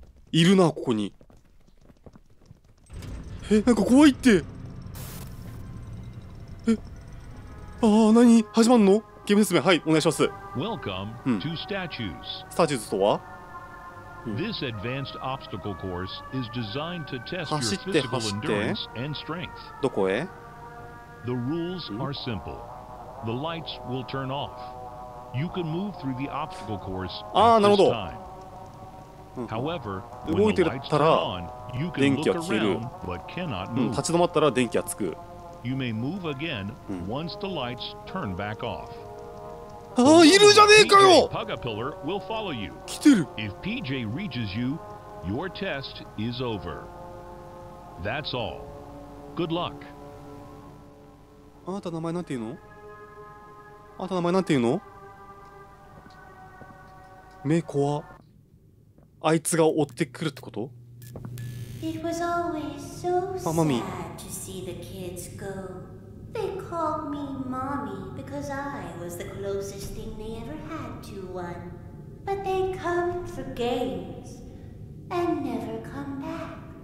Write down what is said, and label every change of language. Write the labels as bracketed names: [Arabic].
[Japanese] いるな、ここに。え、なんか怖いって。え、ああ、何?始まんの? ゲーム説明、はい、お願いします。 [English] Welcome to Statues. [Japanese] スタチューズとは、 [English] This advanced obstacle course is designed to test your physical endurance and strength. [Japanese] どこへ? [English] The rules are simple. The lights will turn off. You can move through the obstacle course at this time. However, when the lights turn on, you can look around but cannot move. [Japanese] 立ち止まったら電気がつく。 [English] You may move again once the lights turn back off. [Japanese] ああ、いるじゃねえかよ! [English] パガピラー will follow you. [Japanese] 来てる。 [English] If PJ reaches you, your test is over. That's all. Good luck. [Japanese] あなた名前なんて言うの?あなた名前なんて言うの? 目怖。あいつが追ってくるってこと? [English] It was always so sad to see the kids go. They called me Mommy because I was the closest thing they ever had to one. But they come for games and never come back.